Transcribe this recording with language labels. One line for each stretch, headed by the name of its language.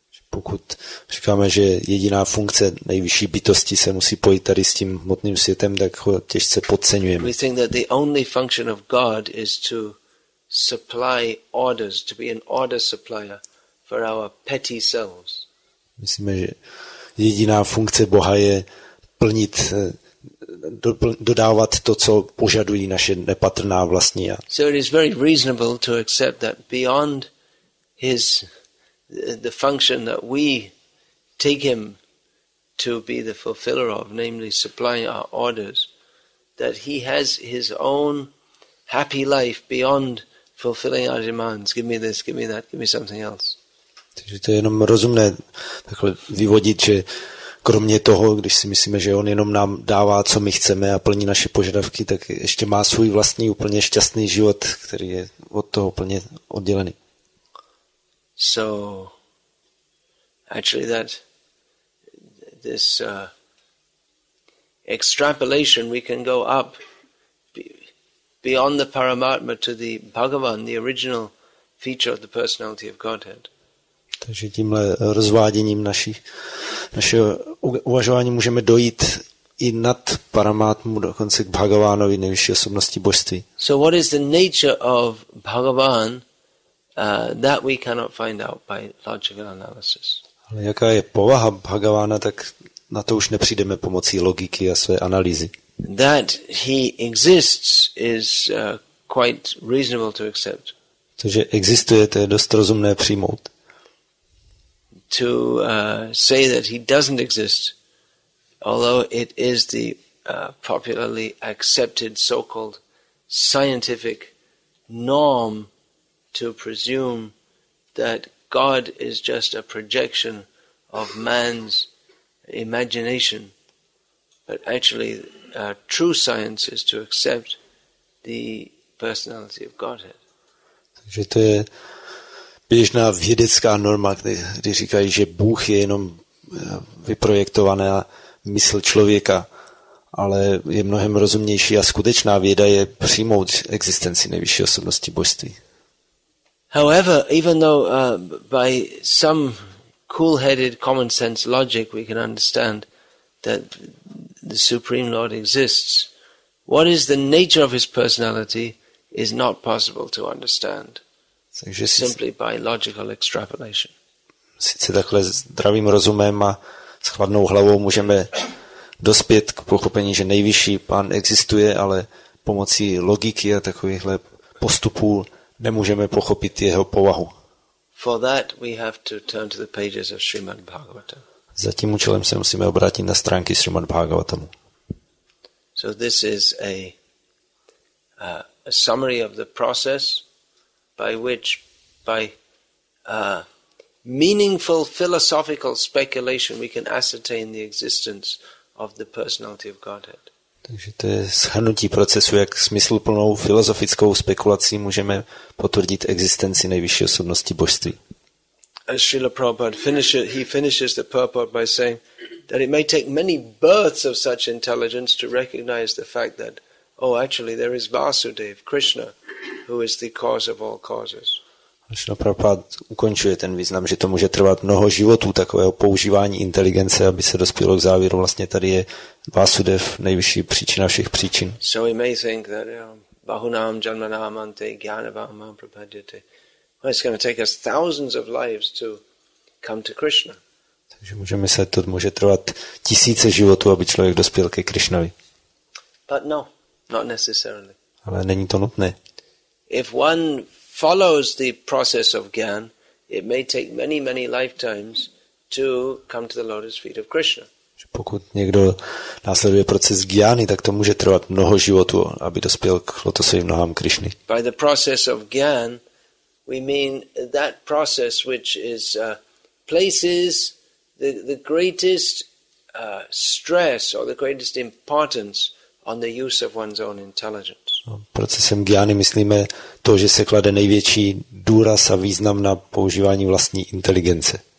Czech: Pokud říkáme, že jediná funkce nejvyšší bytosti se musí pojít tady s tím hmotným světem, tak ho těžce podceňujeme.
English: We think that the only function of God is to supply orders, to be an order supplier for our petty selves.
Czech: Myslíme, že jediná funkce Boha je plnit, dodávat to, co požadují naše nepatrná vlastní já.
English: So it is very reasonable to accept that beyond his the function that we take him to be the fulfiller of, namely supplying our orders, that he has his own happy life beyond fulfilling our demands. Give me this, give me that, give me something else.
Czech: Takže to je jenom rozumné takhle vyvodit, že kromě toho, když si myslíme, že on jenom nám dává, co my chceme a plní naše požadavky, tak ještě má svůj vlastní úplně šťastný život, který je od toho úplně oddělený.
English: So actually that this extrapolation, we can go up beyond the Paramatma to the Bhagavan, the original feature of the personality of Godhead.
Czech: Takže tímhle rozváděním našeho uvažování můžeme dojít i nad Paramatmu, dokonce k Bhagavánovi, nejvyšší osobnosti božství.
English: So what is the nature of Bhagavan that we cannot find out by logical analysis.
Czech: Ale jaká je povaha Bhagavána, tak na to už nepřijdeme pomocí logiky a své analýzy.
English: That he exists is quite reasonable to accept.
Czech: To, že existuje, to je dost rozumné přijmout.
English: To say that he doesn't exist, although it is the popularly accepted so-called scientific norm to presume that God is just a projection of man's imagination, but actually true science is to accept the personality of Godhead.
Czech: Takže to je běžná vědecká norma, kdy říkají, že Bůh je jenom vyprojektovaná mysl člověka, ale je mnohem rozumnější a skutečná věda je přijmout existenci nejvyšší osobnosti božství.
English: However, even though by some cool-headed common sense logic we can understand that the Supreme Lord exists, what is the nature of his personality is not possible to understand simply by logical extrapolation.
Czech: Sice takhle zdravým rozumem a s chladnou hlavou můžeme dospět k pochopení, že nejvyšší pán existuje, ale pomocí logiky a takovýchhle postupů nemůžeme pochopit jeho povahu.
English: For that we have to turn to the pages of Srimad Bhagavatam.
Czech: Za tím účelem se musíme obrátit na stránky Srimad Bhagavatamu.
English: So this is a summary of the process by which by meaningful philosophical speculation we can ascertain the existence of the personality of Godhead.
Czech: Takže to je shrnutí procesu, jak smysluplnou filozofickou spekulací můžeme potvrdit existenci nejvyšší osobnosti božství.
English: As Srila Prabhupada finishes, he finishes the purport by saying that it may take many births of such intelligence to recognize the fact that, oh, actually there is Vasudev, Krishna, who is the cause of all causes.
Czech: Srila Prabhupada ukončuje ten význam, že to může trvat mnoho životů takového používání inteligence, aby se dospělo k závěru. Vlastně tady je Vasudev, nejvyšší příčina všech příčin.
English: So we may think that
Sanskrit: Bahunam Janmanam Ante Gyanavam Prabhadyate.
English: Well, it's going to take us thousands of lives to come to Krishna.
Czech: Takže můžeme se to může trvat tisíce životů, aby člověk dospěl ke Krishnovi.
English: But no, not necessarily.
Czech: Ale není to nutné.
English: If one follows the process of Gyan, it may take many, many lifetimes to come to the lotus feet of Krishna.
Czech: Pokud někdo následuje proces Gyány, tak to může trvat mnoho životů, aby dospěl k lotosovým nohám Krishny.
English: By the process of Gyan, we mean that process which is places the greatest stress or the greatest importance on the use of one's own intelligence.
Czech: Procesem gyány myslíme to, že se klade největší důraz a význam na používání vlastní inteligence.